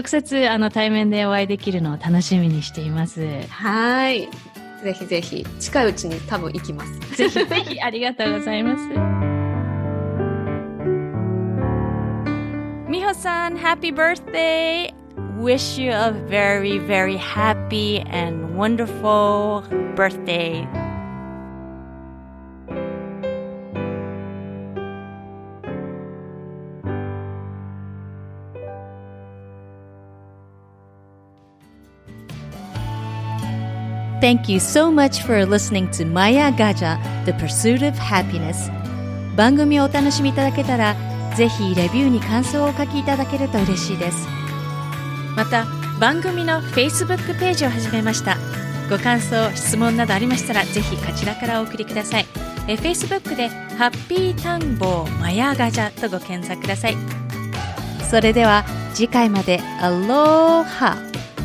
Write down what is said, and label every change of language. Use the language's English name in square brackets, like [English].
[Japanese] 直接対面でお会いできるのを楽しみにしています。はい。ぜひぜひ、近いうちに多分行きます。ぜひぜひ、ありがとうございます。 [English] 美穂さん、Happy birthday! Wish you a very, very happy and wonderful birthday! Thank you so much for listening to Maya Gaja, The Pursuit of Happiness. [Japanese] 番組をお楽しみいただけたら、ぜひレビューに感想をお書きいただけると嬉しいです。また、番組の Facebook ページを始めました。ご感想、質問などありましたら、ぜひこちらからお送りください。 Facebook で、ハッピータンボーマヤガジャとご検索ください。それでは、次回まで、アローハー。